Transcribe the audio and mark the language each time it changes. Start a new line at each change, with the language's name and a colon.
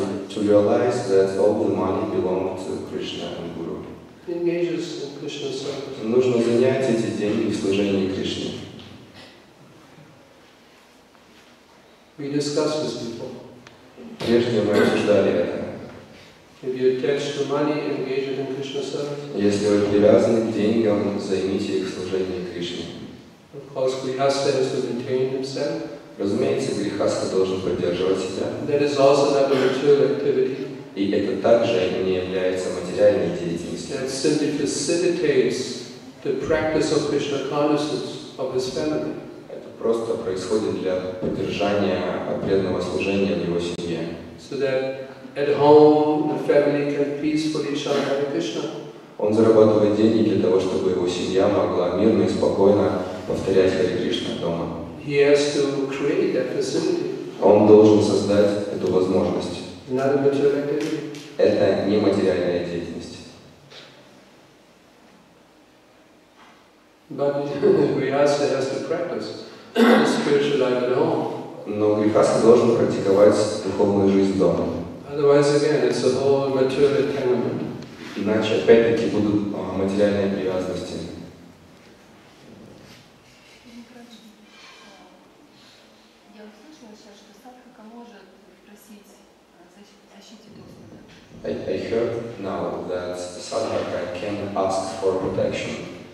English: To realize that all the money belongs to Krishna and Guru. Engages in Krishna's service.
Russian: Нужно занять эти деньги в служении Кришне.
English: We discussed this before.
Russian: Прежде мы обсуждали это.
English: If you attach to money, engage in Krishna service.
Russian: Если вы привязаны к деньгам, займите их служение Кришне.
English: Of course, grihastha has to maintain himself.
Russian: Разумеется, грихаста должен поддерживать себя.
English: That is also not a material activity.
Russian: И это также не является материальной деятельностью.
English: That simply facilitates the practice of Krishna consciousness of his family.
Russian: Просто происходит для поддержания преданного служения в его семье.
English: So that at home the family can peacefully chant Hare Krishna.
Russian: Он зарабатывает деньги для того, чтобы его семья могла мирно и спокойно повторять Хари Кришна дома.
English: He has to create that facility.
Russian: Он должен создать эту возможность.
English: Not a material activity.
Russian: Это не материальная деятельность.
English: But grihastha has to practice. Spiritual life at home.
Russian: Но грихаста должен практиковать духовную жизнь дома.
English: Otherwise, again, it's a whole material entanglement.
Russian: Иначе опять-таки будут материальные привязанности. Я услышала сейчас, что садхака может
English: I heard now that Sadhaka can ask for protection.